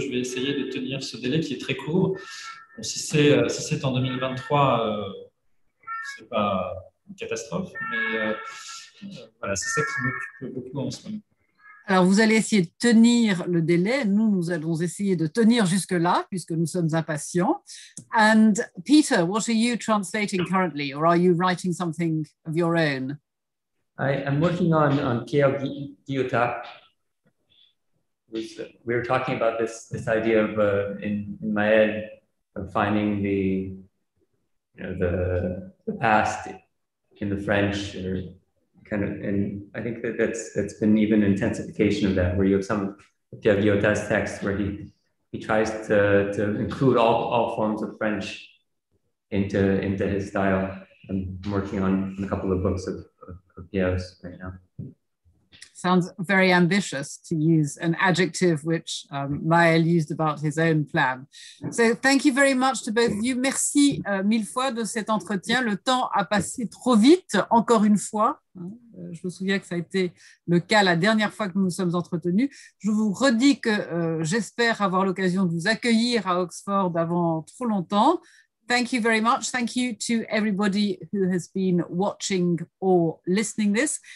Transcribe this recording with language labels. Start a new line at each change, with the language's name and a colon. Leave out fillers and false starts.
French: Je vais essayer de tenir ce délai qui est très court. Bon, si c'est en 2023, ce n'est pas une catastrophe, mais voilà, c'est ça qui m'occupe beaucoup en ce moment. Alors, vous allez essayer de tenir le délai. Nous, nous allons essayer de tenir jusque-là, puisque nous sommes impatients.
English: And Peter, what are you translating currently, or are you writing something of your own? I am working on Pierre Guillotat. We were talking about this idea of in my head of finding the past in the French or. Kind of, and I think that's been even an intensification of that, where you have some of Pierre Guillotat's texts where he tries to include all forms of French into his style. I'm working on a couple of books of Pierre's right now. Sounds very ambitious to use an adjective which Maël used about his own plan. So thank you very much to both of you.
French: Merci mille fois de cet entretien. Le temps a passé trop vite, encore une fois. Je me souviens que ça a été le cas la dernière fois que nous nous sommes entretenus. Je vous redis que j'espère avoir l'occasion de vous accueillir à Oxford avant trop longtemps.
English: Thank you very much. Thank you to everybody who has been watching or listening this.